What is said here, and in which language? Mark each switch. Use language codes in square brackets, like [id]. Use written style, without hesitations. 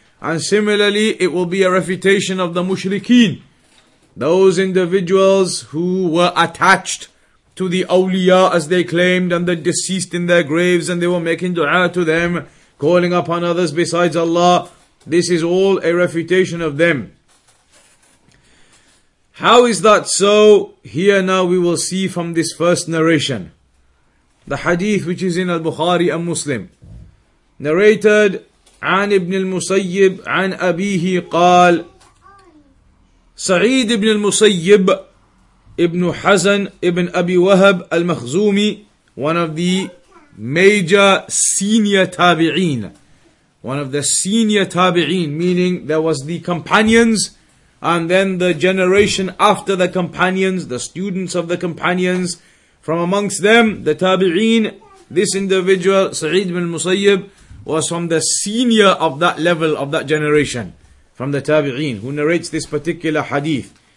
[en] And similarly, it will be a refutation of the mushrikeen, those individuals who were attached to the awliya, as they claimed, and the deceased in their graves, and they were making dua to them, calling upon others besides Allah. This is all a refutation of them. How is that so? Here now we will see from this first narration. The hadith which is in Al-Bukhari and Muslim. Narrated, [ar] عن ابن المسيب عن أبيه قال سعيد ابن المسيب ابن حزن ابن أبي وهب المخزومي, [en] one of the major senior tabi'een. One of the senior tabi'een, meaning there was the companions, and then the generation after the companions, the students of the companions, from amongst them, the tabi'een, this individual, Sa'id ibn al-Musayyib, was from the senior of that level, of that generation, from the tabi'een, who narrates this particular hadith.